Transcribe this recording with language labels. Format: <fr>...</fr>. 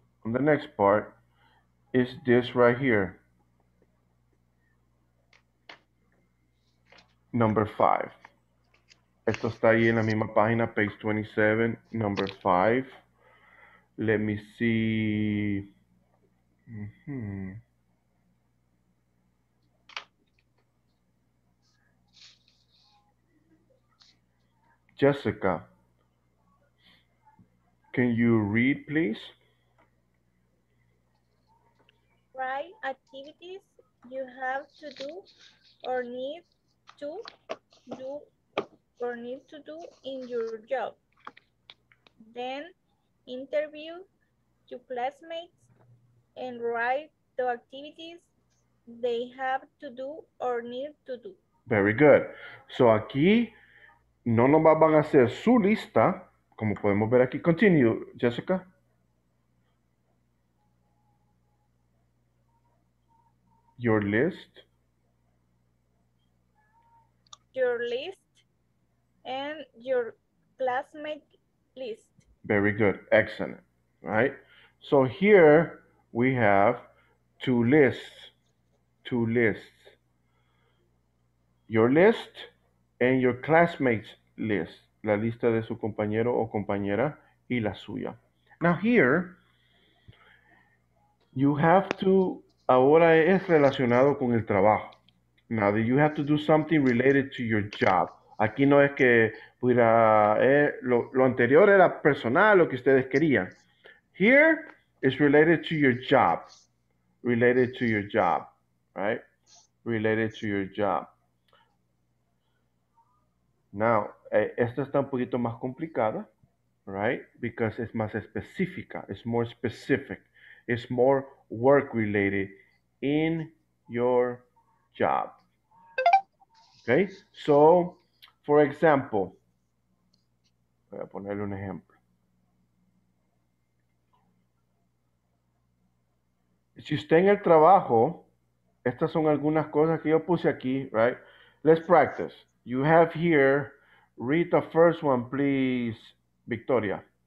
<en>The next part is this right here, number 5.</en> <es>Esto está ahí en la misma página, page 27, number 5.</es> <en>Let me see. Jessica, can you read, please? Write activities you have to do or need to do or need to do in your job. Then interview your classmates and write the activities they have to do or need to do. Very good.</en> <es>So aquí no nos van a hacer su lista, como podemos ver aquí.</es> <en>Continue, Jessica. Your list and your classmate list. Very good. Excellent. Right? So here we have two lists. Your list and your classmate's list.</en> <es>la lista de su compañero o compañera y la suya.</es> <en>Now here, you have to,</en> <es>ahora es relacionado con el trabajo.</es> <en>Now that you have to do something related to your job.</en> <es>Aquí no es que pudiera, lo anterior era personal, lo que ustedes querían.</es> <en>Here is related to your job. Related to your job, right? Related to your job.</en> <es>Now, esta está un poquito más complicada, right?</es> <en>Because</en> <es>es más específica,</es> <en>it's more specific. It's more work-related in your job. Okay? So, for example,</en> <es>voy a ponerle un ejemplo. Si usted en el trabajo, estas son algunas cosas que yo puse aquí, right?</es> <en>Let's practice. You have here, read the first one, please, Victoria.</en>